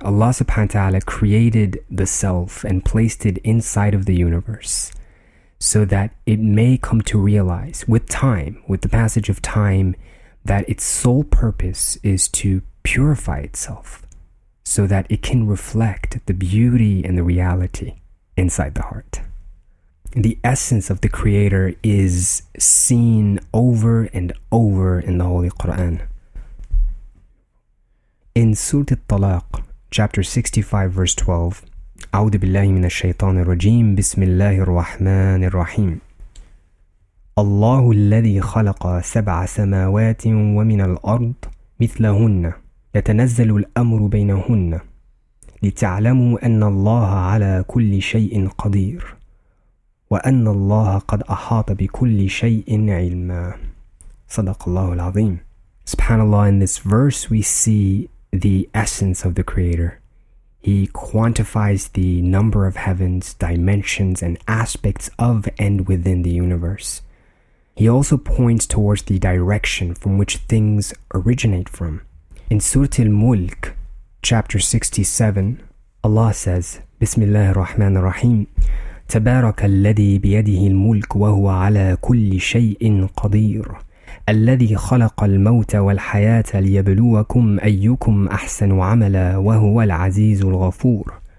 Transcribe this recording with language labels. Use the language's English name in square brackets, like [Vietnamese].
[English] Allah subhanahu wa ta'ala created the self and placed it inside of the universe so that it may come to realize with time, with the passage of time, that its sole purpose is to purify itself so that it can reflect the beauty and the reality inside the heart. The essence of the Creator is seen over and over in the Holy Quran. In Surah At-Talaq, chapter 65, verse 12, [Arabic] أعوذ بالله من الشيطان الرجيم بسم الله الرحمن الرحيم الله الذي خلق سبع سماوات ومن الأرض مثلهن يتنزل الأمر بينهن لتعلموا أن الله على كل شيء قدير وأن الله قد أحاط بكل شيء علما صدق الله العظيم. [English] Subhanallah, in this verse we see the essence of the Creator. He quantifies the number of heavens, dimensions, and aspects of and within the universe. He also points towards the direction from which things originate from. In Surah Al-Mulk, chapter 67, Allah says, Bismillah ar-Rahman ar-Rahim, [Arabic] تبارك الذي بيده الملك وهو على كل شيء قدير الذي خلق الموت والحياة ليبلوكم أيكم أحسن عملا وهو العزيز الغفور